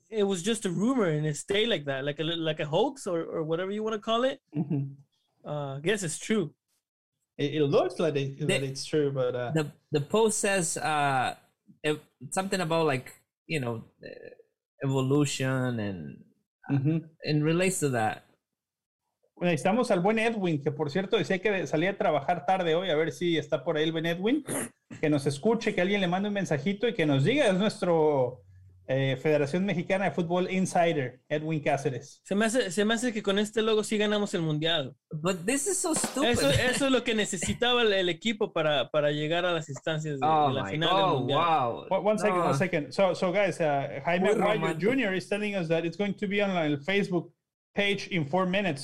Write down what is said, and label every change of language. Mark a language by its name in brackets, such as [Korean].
[English] It was just a rumor, and it stayed like that, like a hoax or whatever you want to call it. Mm-hmm. I guess it's true. It looks like it's true, but the post says something about like you know evolution and in relates to that. [Spanish] Necesitamos al buen Edwin, que por cierto decía que salía a trabajar tarde hoy, a ver si está por ahí el buen Edwin, que nos escuche, que alguien le mande un mensajito y que nos diga es nuestro. Federación Mexicana de Fútbol Insider, Edwin Cáceres. Se me hace que con este logo sí ganamos el Mundial. [English] But this is so stupid. [Spanish] Eso es lo que necesitaba el equipo para llegar a las instancias de la final del Mundial. [English] Wow. One second. So guys, Jaime Aguayo Jr. is telling us that it's going to be on the Facebook page in 4 minutes.